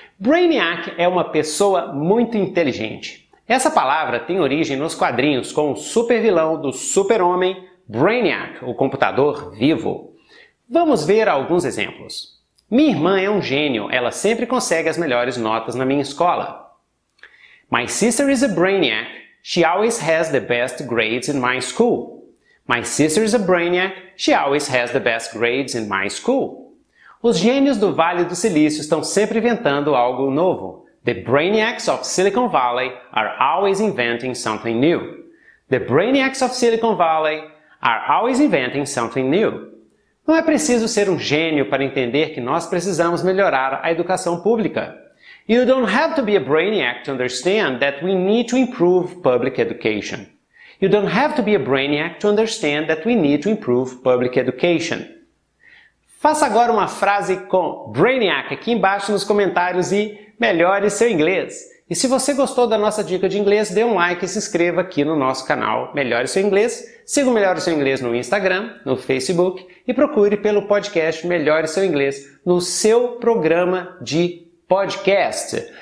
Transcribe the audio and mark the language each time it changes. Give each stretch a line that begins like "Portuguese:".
Portuguese: Brainiac é uma pessoa muito inteligente. Essa palavra tem origem nos quadrinhos com o supervilão do super-homem Brainiac, o computador vivo. Vamos ver alguns exemplos. Minha irmã é um gênio, ela sempre consegue as melhores notas na minha escola.
English: My sister is a Brainiac. She always has the best grades in my school. My sister is a brainiac. She always has the best grades in my school.
Portuguese: Os gênios do Vale do Silício estão sempre inventando algo novo.
English: The brainiacs of Silicon Valley are always inventing something new. The brainiacs of Silicon Valley are always inventing something new.
Portuguese: Não é preciso ser um gênio para entender que nós precisamos melhorar a educação pública.
English: You don't have to be a brainiac to understand that we need to improve public education. You don't have to be a brainiac to understand that we need to improve public education.
Portuguese: Faça agora uma frase com Brainiac aqui embaixo nos comentários e melhore seu inglês. E se você gostou da nossa dica de inglês, dê um like e se inscreva aqui no nosso canal Melhore Seu Inglês. Siga o Melhore Seu Inglês no Instagram, no Facebook e procure pelo podcast Melhore Seu Inglês no seu programa de podcast.